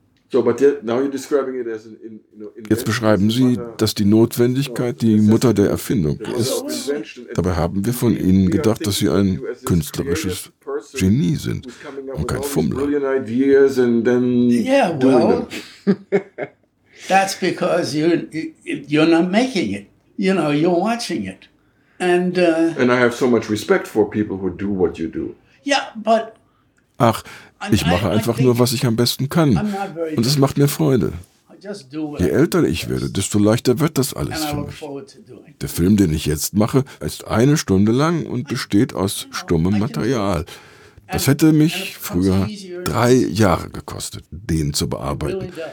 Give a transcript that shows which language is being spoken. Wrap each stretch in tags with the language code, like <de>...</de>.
<de>Jetzt beschreiben Sie, dass die Notwendigkeit die Mutter der Erfindung ist. Dabei haben wir von Ihnen gedacht, dass Sie ein künstlerisches Genie sind und kein Fummler.</de> <en>Yeah, well, that's because you're not making it. You know, you're watching it. And I have so much respect for people who do what you do. Yeah, but</en> <de>ach, ich mache einfach nur, was ich am besten kann. Und es macht mir Freude. Je älter ich werde, desto leichter wird das alles für mich. Der Film, den ich jetzt mache, ist 1 Stunde lang und besteht aus stummem Material. Das hätte mich früher 3 Jahre gekostet, den zu bearbeiten.</de>